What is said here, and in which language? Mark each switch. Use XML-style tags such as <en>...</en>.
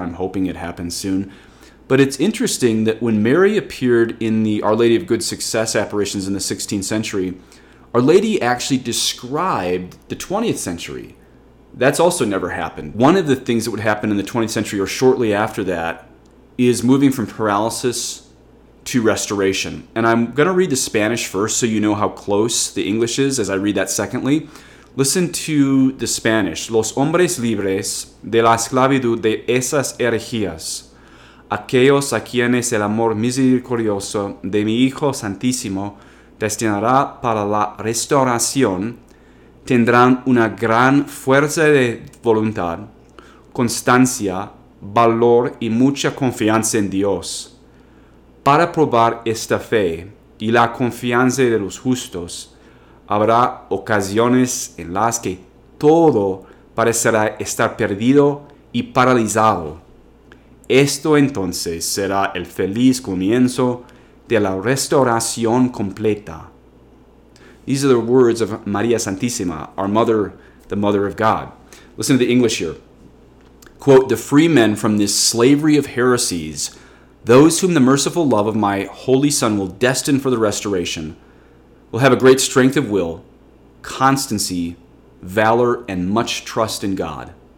<en>I'm hoping it happens soon. But it's interesting that when Mary appeared in the Our Lady of Good Success apparitions in the 16th century, Our Lady actually described the 20th century. That's also never happened. One of the things that would happen in the 20th century or shortly after that is moving from paralysis to restoration. And I'm going to read the Spanish first so you know how close the English is as I read that secondly. Listen to the Spanish.</en> <es>Los hombres libres de la esclavitud de esas herejías, aquellos a quienes el amor misericordioso de mi Hijo Santísimo destinará para la restauración, tendrán una gran fuerza de voluntad, constancia, valor y mucha confianza en Dios. Para probar esta fe y la confianza de los justos, habrá ocasiones en las que todo parecerá estar perdido y paralizado. Esto entonces será el feliz comienzo de la restauración completa.</es> <en>These are the words of María Santísima, our mother, the mother of God. Listen to the English here. Quote, the free men from this slavery of heresies, those whom the merciful love of my holy son will destine for the restoration, will have a great strength of will, constancy, valor, and much trust in God.</en>